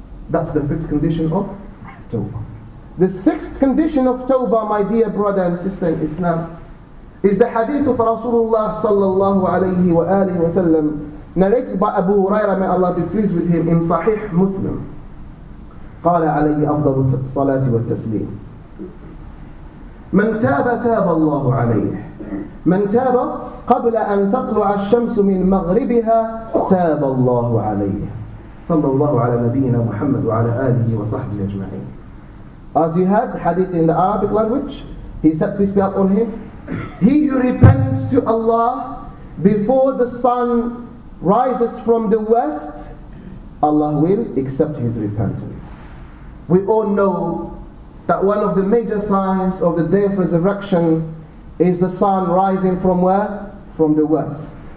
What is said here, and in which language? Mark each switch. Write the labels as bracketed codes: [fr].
[en] That's the fifth condition of tawbah. The sixth condition of tawbah, my dear brother and sister in Islam, is the hadith of Rasulullah sallallahu alayhi wa alihi wa sallam, narrated by Abu Huraira, may Allah be pleased with him, in Sahih Muslim. [ar] قال عليه أفضل الصلاة والتسليم من تاب تاب الله عليه من تاب قبل أن تطلع الشمس من مغربها تاب الله عليه صلى الله على نبينا محمد وعلى آله وصحبه أجمعين. [en] As you heard hadith in the Arabic language, he said peace be upon him, he who repents to Allah before the sun rises from the west, Allah will accept his repentance. We all know that one of the major signs of the day of resurrection is the sun rising from where? From the west.